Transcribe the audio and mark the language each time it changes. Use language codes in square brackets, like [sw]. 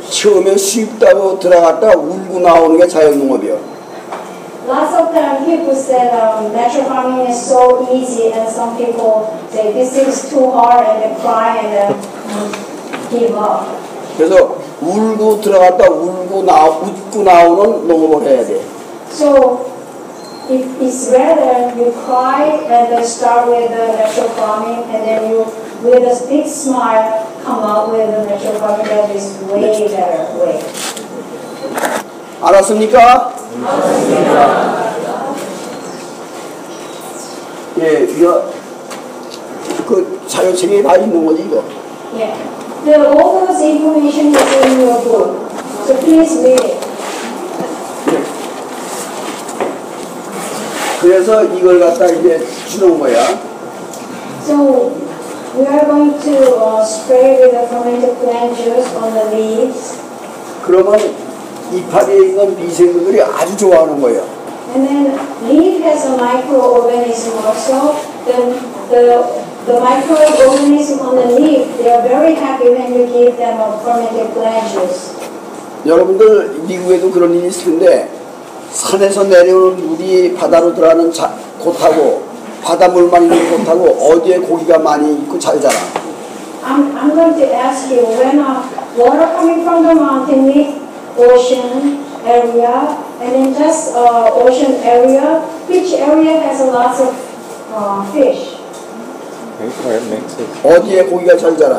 [ko] 처음에 쉽다고 들어갔다 울고 나오는 게 자연농업이요. [en] Lots of times people said natural farming is so easy, and some people say this is too hard, and they cry and give up. [ko] 그래서 울고 들어갔다 울고 나 웃고 나오는 농업을 해야 돼. [en] So it's rather you cry and then start with the natural farming, and then you. With a big smile, come up with a natural farming that is way better way. [ko] 알았습니까? 알았습니다. 예, 이거 그 자연책에 다 있는 거지 이거. [en] Yeah, the all those information is in your book. So please read. [ko] 그래서 이걸 갖다 이제 주는 거야. [en] So. We are going to spray with the fermented plant juice on the leaves. [ko] 그러면 이파리에 있는 미생물들이 아주 좋아하는 거예요. [en] And then leaf has a microorganism also. Then the microorganism on the leaf, they are very happy when you give them a fermented plant juice. [ko] 여러분들 미국에도 그런 일이 있을 텐데 산에서 내려오는 물이 바다로 들어가는 곳하고 바닷물만 있는 곳하고 어디에 고기가 많이 있고 잘 자라. [en] I'm going to ask you when water coming from the mountain ocean area and then just ocean area, which area has lots of fish? Okay. [ko] 어디에 고기가 잘 자라?